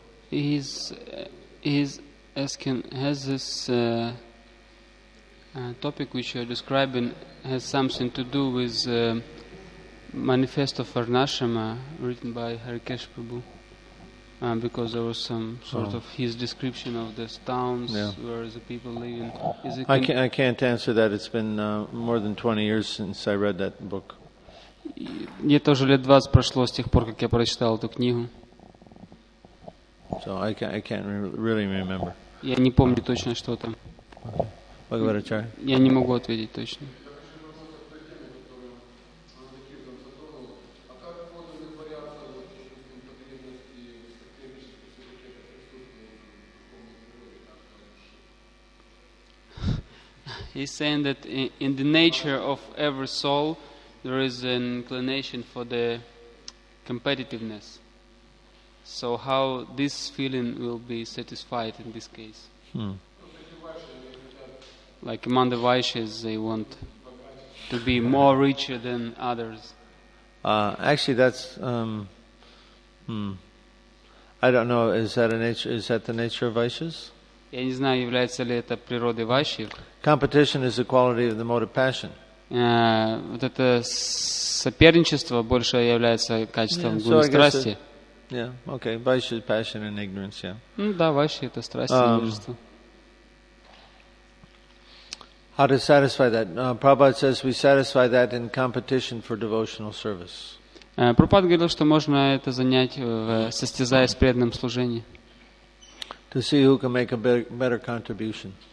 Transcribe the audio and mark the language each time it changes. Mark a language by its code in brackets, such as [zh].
[en] He's asking, has this topic which you're describing has something to do with the Manifesto of Varnashrama written by Hari Kesha Prabhu? Because there was some sort of his description of the towns where the people live in. I can't answer that. It's been more than 20 years since I read that book. [ru] Мне тоже лет 20 прошло с тех пор, как я прочитал эту книгу. [en] So I can't really remember. [ru] Я не помню точно, что там. Я не могу ответить точно. [en] He's saying that in the nature of every soul, there is an inclination for the competitiveness. So how this feeling will be satisfied in this case? Like among the Vaishyas, they want to be more richer than others. Actually, that's... I don't know, is that the nature of Vaishyas? [ru] Я не знаю, является ли это природой Vaishyas. [en] Competition is the quality of the motive passion. [ru] Вот это соперничество больше является качеством гуны страсти. [en] Okay. Vaishya is passion and ignorance, yeah. [ru] Да, Vaishya это страсть и невежество. [en] How to satisfy that? Prabhupada says we satisfy that in competition for devotional service. [ru] Прабхупада говорил, что можно это занять в состязаясь в преданном служении. [en] To see who can make a better contribution.